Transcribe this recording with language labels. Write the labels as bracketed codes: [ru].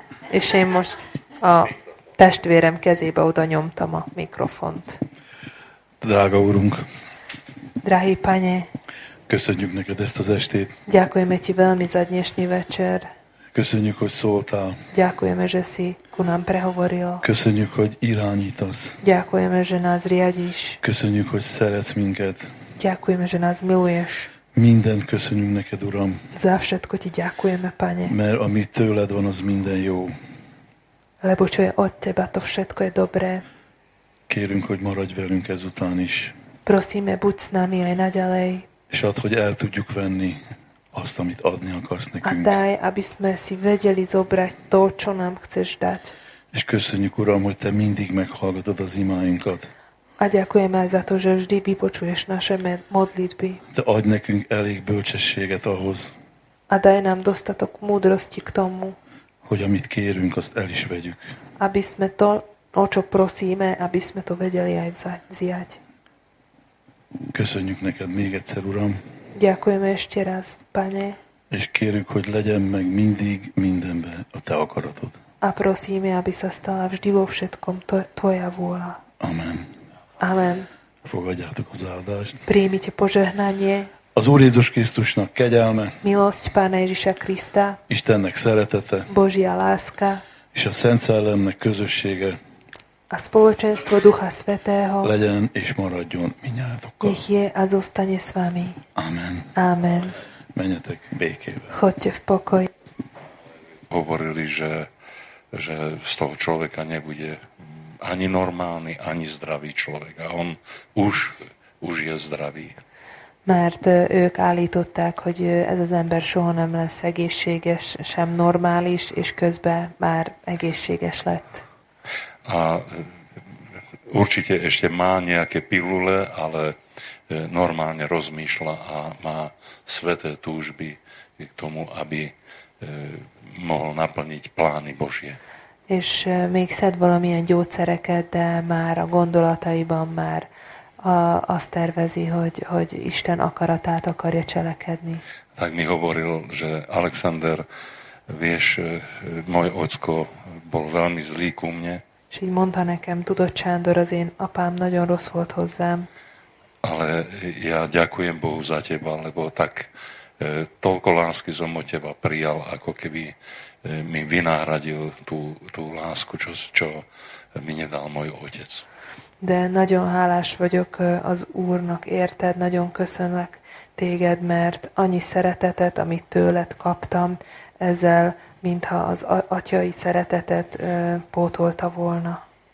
[hu] És én most a testvérem kezébe oda nyomtam a mikrofont. Drága úrunk, [sk] drahý pane, [hu] köszönjük neked ezt az estét. [sk] Ďakujeme ti veľmi za dnešný večer. [hu] Köszönjük, hogy szóltál. [sk] Ďakujeme, že si ku nám prehovoril. [hu] Köszönjük, hogy irányítasz. [sk] Ďakujeme, že nás riadíš. [hu] Köszönjük, hogy szeretsz minket. [sk] Ďakujeme, že nás miluješ. [hu] Mindent köszönjük neked, Uram. [sk] Za všetko ti ďakujeme, pane. [hu] Mert ami tőled van, az minden jó. [sk] Lebo čo je od teba, to všetko je dobré. [hu] Kérünk, hogy maradj velünk ezután is. [sk] Prosíme, buď s nami aj naďalej. [hu] És ad, hogy el tudjuk venni azt, amit adni akarsz nekünk. [sk] A daj, aby sme si vedeli zobrať to, čo nám chceš dať. [hu] És köszönjük, Uram, hogy te mindig meghallgatod az imáinkat. [sk] A ďakujeme za to, že vždy vypočuješ naše modlitby. [hu] Te adj nekünk elég bölcsességet ahhoz. [sk] A daj nám dostatok múdrosti k tomu. [hu] Hogy amit kérünk, azt el is vegyük. [sk] Aby sme to, o čo prosíme, aby sme to vedeli aj vziať. [hu] Köszönjük neked még egyszer, Uram. [sk] Ďakujeme ešte raz, Pane. [hu] És kérjük, hogy legyen meg mindig mindenbe a te akaratod. [sk] A prosíme, aby sa stala vždy vo všetkom tvoja vôľa. [hu] Amen. [sk] Amen. [hu] Fogadjátok az áldást. [sk] Príjmite požehnanie. [hu] Az Úr Jézus Krisztusnak kegyelme. [sk] Milosť Pána Ježiša Krista. [hu] Istennek szeretete. [sk] Božia láska. [hu] És a Szent Szellemnek közössége. [sk] A spoločenstvo Ducha Svätého [hu] legyen és maradjon minnyájatokkal. [sk] Nech je a zostane s vami. [hu] Amen. [sk] Amen. [hu] Menjetek békében. [sk] Chodte v pokoj. Hovorili, že z toho človeka nebude ani normálny, ani zdravý človek. A on už je zdravý. [hu] Mert ők állították, hogy ez az ember soha nem lesz egészséges, sem normális, és közben már egészséges lett. [sk] A určite ešte má nejaké pilule, ale normálne rozmýšľa a má sväté túžby k tomu, aby mohol naplniť plány Božie. [hu] És még szed valamilyen gyógyszereket, de már a gondolataiban már azt tervezi, hogy Isten akaratát akarja cselekedni. [sk] Tak mi hovoril, že Alexander, vieš, môj ocko bol veľmi zlý ku mne. [hu] És így mondta nekem, tudod, Csándor, az én apám nagyon rossz volt hozzám. [sk] Ale ja ďakujem Bohu za teba, lebo tak toľko lásky som od teba prijal, ako keby mi vynáhradil tú lásku, čo mi nedal môj otec. [hu] De nagyon hálás vagyok az Úrnak, érted? Nagyon köszönlek téged, mert annyi szeretetet, amit tőled kaptam, ezzel mintha az atyai szeretetet pótolta volna.